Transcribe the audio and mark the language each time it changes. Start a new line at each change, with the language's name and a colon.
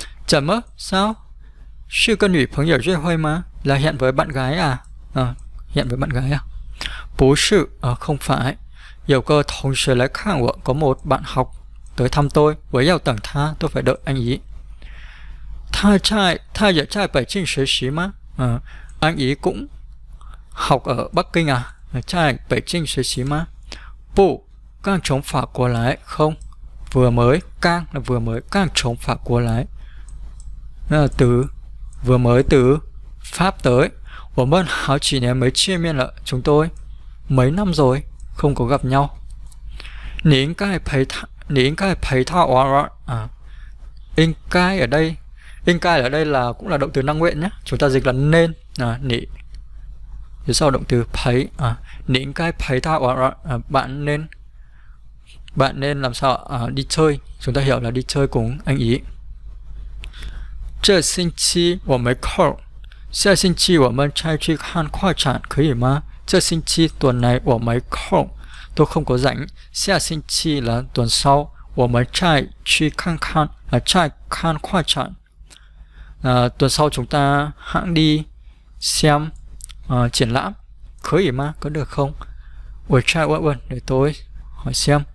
Chinese: 怎么?
Vietnamese: Sao?
Chinese: 是跟女朋友日会吗?
Vietnamese: Là hẹn với bạn gái à? À. Hẹn với bạn gái à?
Chinese: 不是,
Vietnamese: không phải.
Chinese: 有个同学来看我,
Vietnamese: có một bạn học tới thăm tôi.
Chinese: 我要等他,
Vietnamese: tôi phải đợi anh ý.
Chinese: 他在, 他也在北京学习吗?
Vietnamese: Anh ý cũng học ở Bắc Kinh à?
Chinese: 在北京学习吗? 不, 刚从法国来,
Vietnamese: không. Vừa mới, 刚 là vừa mới,
Chinese: 刚从法国来.
Vietnamese: Là từ, vừa mới từ Pháp tới.
Chinese: 我们好几年没见面了,
Vietnamese: chúng tôi mấy năm rồi không có gặp nhau.
Chinese: 你应该陪他玩玩.
Vietnamese: À, 应该 ở đây, 应该 ở đây là cũng là động từ năng nguyện nhé. Chúng ta dịch là nên. À, 你, phía sau động từ 陪.
Chinese: À, 你应该陪他玩玩.
Vietnamese: À, bạn nên, bạn nên làm sao? À, đi chơi. Chúng ta hiểu là đi chơi cùng anh ý.
Chinese: 这星期我没空. 下星期我们再去看画展，可以吗? 这星期
Vietnamese: tuần này
Chinese: 我没空,
Vietnamese: tôi không có rảnh. 下星期 là tuần sau.
Chinese: 我们再去看看,
Vietnamese: là
Chinese: 再看画展.
Vietnamese: À, tuần sau chúng ta hãng đi xem triển lãm,
Chinese: 可以吗?
Vietnamese: Có được không?
Chinese: 我再问问,
Vietnamese: để tôi hỏi xem.